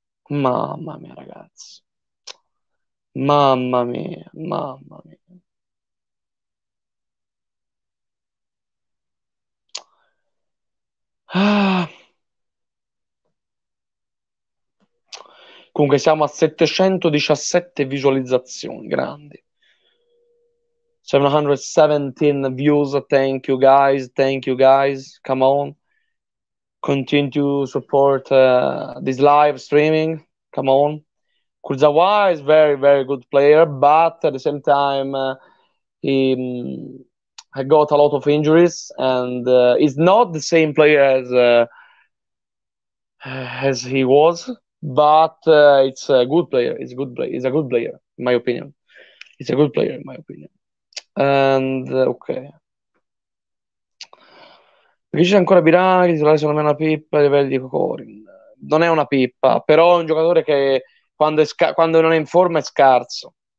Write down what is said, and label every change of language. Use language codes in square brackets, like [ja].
[it] Mamma mia, ragazzi. Mamma mia, mamma mia. Ah. Comunque siamo a 717 visualizzazioni, grandi. [en] 717 views, thank you guys, come on, continue to support this live streaming, come on. Kurzawa is very, very good player, but at the same time he got a lot of injuries and is not the same player as he was, but it's a good player, it's a good player, in my opinion, it's a good player, in my opinion. [it] And ok, c'è ancora Biraghi, secondo me è una pippa a livello di Cocorin. Non è una pippa, però è un giocatore che quando non è in forma è scarso.